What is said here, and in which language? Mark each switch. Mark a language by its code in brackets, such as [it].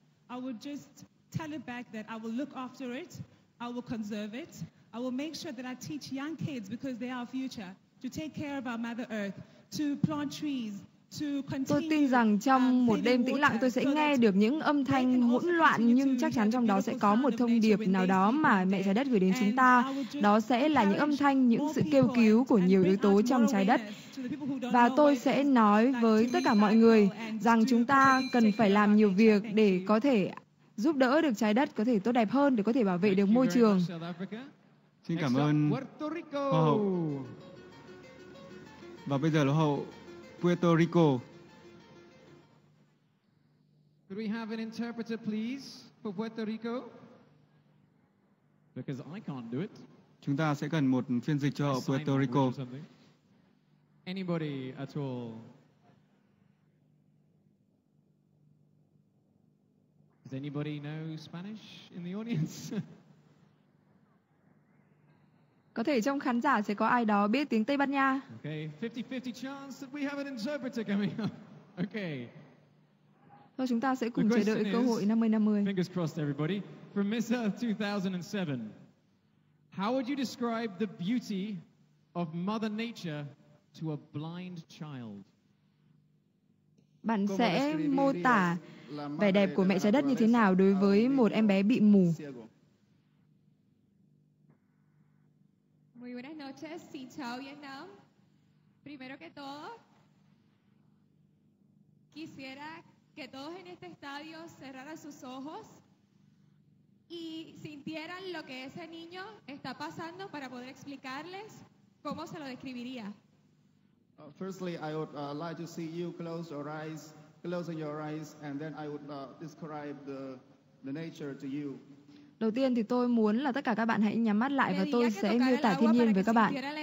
[en] I will just tell it back that I will look after it, I will conserve it, I will make sure that I teach young kids because they are our future to take care of our Mother Earth, to plant trees, to continue. [vi] Tôi tin rằng trong một đêm tĩnh lặng tôi sẽ nghe được những âm thanh hỗn loạn, nhưng chắc chắn trong đó sẽ có một thông điệp nào đó mà mẹ trái đất gửi đến chúng ta. Đó sẽ là những âm thanh, những sự kêu cứu của nhiều yếu tố trong trái đất. Và tôi sẽ nói với tất cả mọi người rằng chúng ta cần phải làm nhiều việc để có thể giúp đỡ được trái đất có thể tốt đẹp hơn, để có thể bảo vệ được môi trường. Xin cảm ơn Hoa hậu. Và bây giờ là hậu Puerto Rico. [en] Could we have an interpreter please for Puerto Rico? Because I can't do it. [vi] Chúng ta sẽ cần một phiên dịch cho hậu Puerto Rico. [en] Anybody at all? Does anybody know Spanish in the audience? [vi] Có thể trong khán giả sẽ có ai đó biết tiếng Tây Ban Nha. [en] Okay, 50-50 chance that we have an interpreter coming up. Okay. [vi] Thôi chúng ta sẽ cùng chờ đợi cơ hội 50-50. [en] Fingers crossed, everybody. From Miss Earth 2007. How would you describe the beauty of Mother Nature to a blind child? [vi] Bạn sẽ mô tả vẻ đẹp của mẹ trái đất như thế nào đối với một em bé bị mù? [es] Muy buenas noches, [vi] xin chào Vietnam. [es] Primero que todo, quisiera que todos en este estadio cerraran sus ojos y sintieran lo que ese niño está pasando para poder explicarles cómo se lo describiría. [en] Firstly, I would like to see you close your eyes, closing your eyes, and then I would describe the nature to you. [vi] Đầu tiên thì tôi muốn là tất cả các bạn hãy nhắm mắt lại và tôi sẽ miêu tả thiên nhiên với các bạn.